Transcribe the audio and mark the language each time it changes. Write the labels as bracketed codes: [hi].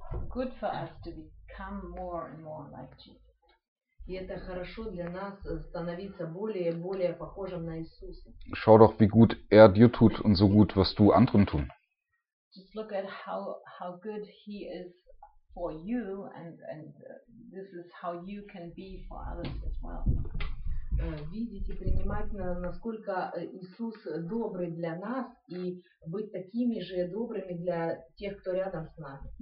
[en] Good for us to become more and more like Jesus. [ru] И это хорошо для нас становиться более и более похожим на Иисуса. [de] Schau doch, wie gut dir tut und so gut wirst du anderen tun. [en] Just look at how good he is for you and this is how you can be for others as well. [ru] Видеть и принимать, насколько Иисус добрый для нас и быть такими же добрыми для тех, кто рядом с нами.